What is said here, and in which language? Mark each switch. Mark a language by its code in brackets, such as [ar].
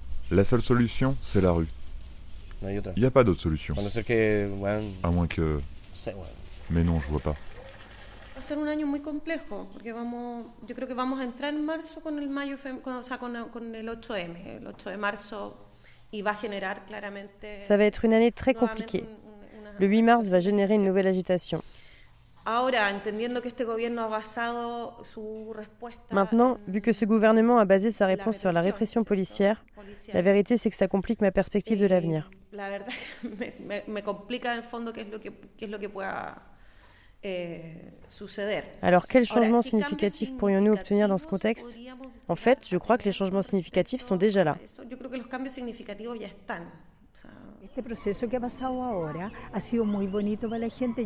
[fr] La seule solution, c'est la rue. Il n'y a pas d'autre solution. À moins que. Mais non, je ne vois pas. [es] ser un año muy complejo, porque yo creo que vamos a entrar en marzo con el mayo, con el 8M, el 8 de marzo, y va a generar claramente. [fr] Ça va être une année très compliquée. Le 8 mars va générer une nouvelle agitation. [es] Ahora, entendiendo que este gobierno ha basado su respuesta. [fr] Maintenant, vu que ce gouvernement a basé sa réponse sur la répression policière, la vérité c'est que ça complique ma perspective de l'avenir. [es] La verdad que me complica en el fondo qué es lo que pueda suceder. [fr] Alors, quels changements significatifs pourrions-nous obtenir dans ce contexte? En fait, je crois que les changements significatifs sont déjà là. [es] Yo creo que los cambios significativos ya están. Este proceso que ha pasado ahora ha sido muy bonito para la gente.